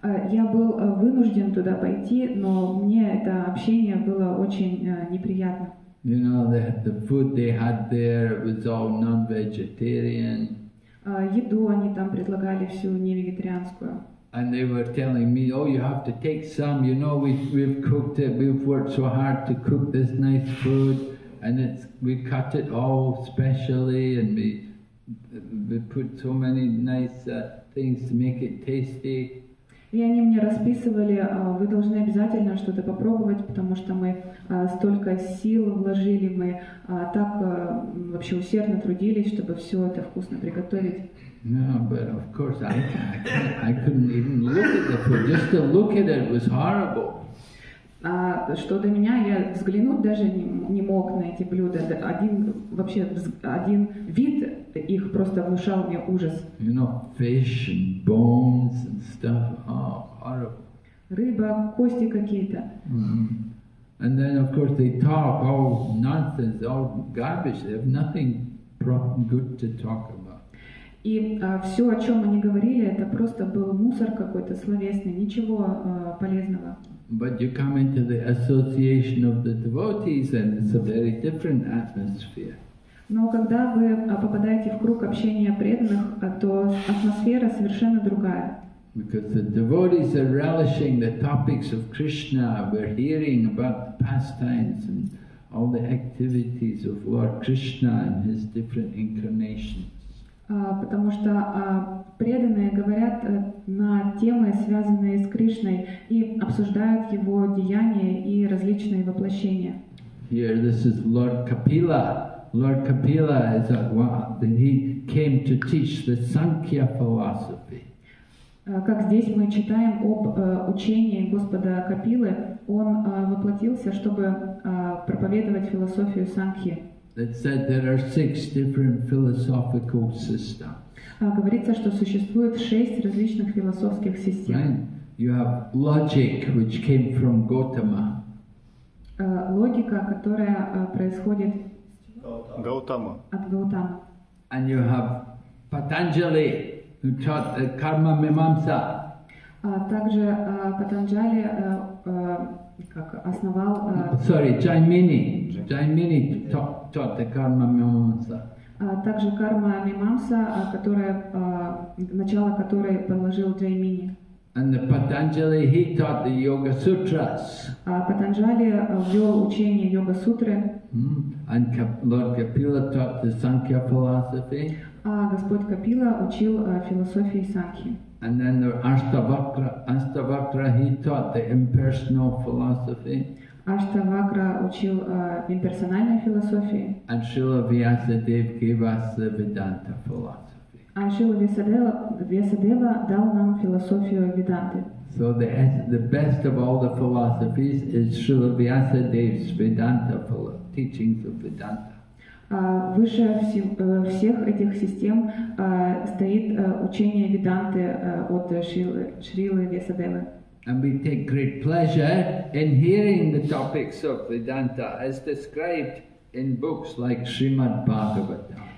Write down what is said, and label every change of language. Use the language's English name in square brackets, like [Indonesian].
[Russian] Я был вынужден туда пойти, но мне это общение было очень неприятно. [English] You know, the food they had there was all non-vegetarian. [Russian] Еду они там предлагали всю невегетарианскую. [English] And they were telling me, oh, you have to take some, you know, we've cooked it, we've worked so hard to cook this nice food, and we cut it all specially, and we put so many nice things to make it tasty. [Russian] И они мне расписывали, вы должны обязательно что-то попробовать, потому что мы столько сил вложили, мы так вообще усердно трудились, чтобы все это вкусно приготовить. [English] No, but of course I couldn't even look at the food. Just to look at it was horrible. [Russian] Что до меня, я взглянуть даже не мог на эти блюда. Один вид их просто внушал мне ужас. [English] You know, fish and bones and stuff. Oh, horrible. [Russian] Рыба, кости какие-то. [English] And then, of course, they talk all nonsense, all garbage. They have nothing good to talk about. [Russian] И все, о чем они говорили, это просто был мусор какой-то словесный, ничего полезного. [English] But you come into the association of the devotees, and it's a very different atmosphere. [Russian] Но когда вы попадаете в круг общения преданных, то атмосфера совершенно другая. [English] Because the devotees are relishing the topics of Krishna. We're hearing about the pastimes and all the activities of Lord Krishna and his different incarnations. [Russian] Потому что преданные говорят на темы, связанные с Кришной, и обсуждают его деяния и различные воплощения. [English] Here this is Lord Kapila. Lord Kapila is he came to teach the Sankhya philosophy. [Russian] Как здесь мы читаем об учении Господа Капилы, он воплотился, чтобы проповедовать философию Сангхи. [English] It said there are six different philosophical systems. [Russian] Говорится, что существует шесть различных философских систем. [English] Right? You have logic, which came from Gautama. [Russian] Логика, которая происходит [English] Gautama. [Russian] От Гаутама. [English] And you have Patanjali, who taught the Karma Mimamsa. [Russian] Также Патанджали как основал. [English] Jaimini taught the Karma Mimamsa. [Russian] Также Karma Mimamsa, начало которой положил Jaimini. [English] And the Patanjali, he taught the Yoga Sutras. [Russian] Патанджали ввел учение Йога Сутры. [English] And Lord Kapila taught the Sankhya philosophy. [Russian] Господь Капила учил философии Сангхи. [English] And then the Ashtavakra, he taught the impersonal philosophy. [Russian] Ashtavakra учил имперсональной философии. [English] And Srila Vyasadeva gave us the Vedanta philosophy. [Russian] А Шрила Вьясадева дал нам философию Веданты. [English] So the best of all the philosophies is Srila Vyasadeva's Vedanta teachings of Vedanta. [Russian] Выше всех этих систем стоит учение Веданты от Шрилы Вьясадевы. [English] And we take great pleasure in hearing the topics of Vedanta as described in books like Srimad Bhagavatam.